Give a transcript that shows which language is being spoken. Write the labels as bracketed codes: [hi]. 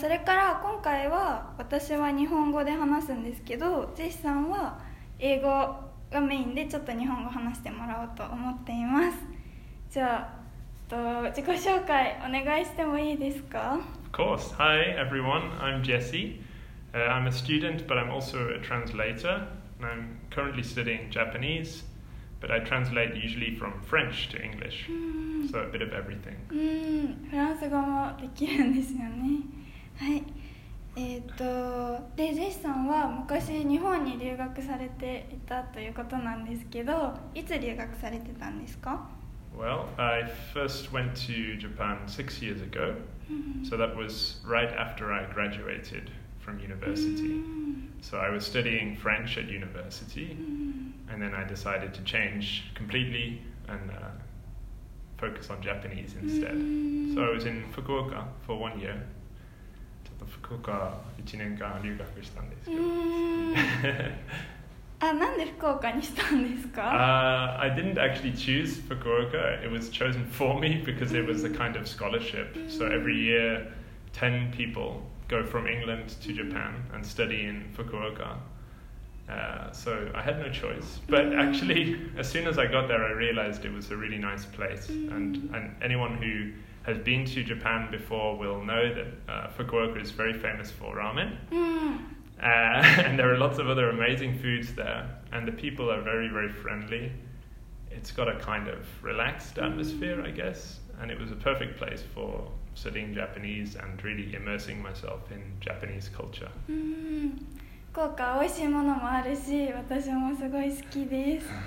[ja] それから今回は私は日本語で話すんですけどジェシさんは英語がメインでちょっと日本語話してもらおうと思っています。じゃあ自己紹介お願いしてもいいですか？ [en] Of course. Hi everyone, I'm Jesse. I'm a student, but I'm also a translator. And I'm currently studying Japanese, but I translate usually from French to English. So a bit of everything. [ja] フランス語もできるんですよね。はい。で、ジェシさんは昔日本に留学されていたということなんですけど、いつ留学されてたんですか？ [en] Well, I first went to Japan 6 years ago, so that was right after I graduated from university. So I was studying French at university, and then I decided to change completely and focus on Japanese instead. So I was in Fukuoka for 1 year. [ja] ちょっと福岡1年間留学したんですけど。なんで福岡にしたんですか？ [en] I didn't actually choose Fukuoka. It was chosen for me because it was a kind of scholarship. So every year, 10 people go from England to Japan and study in Fukuoka. So I had no choice. But actually, as soon as I got there, I realized it was a really nice place. And anyone who has been to Japan before will know that Fukuoka is very famous for ramen. And there are lots of other amazing foods there, and the people are very, very friendly. It's got a kind of relaxed atmosphere, I guess, and it was a perfect place for studying Japanese and really immersing myself in Japanese culture. [ja] 福岡、美味しいものもあるし、私もすごい好きです。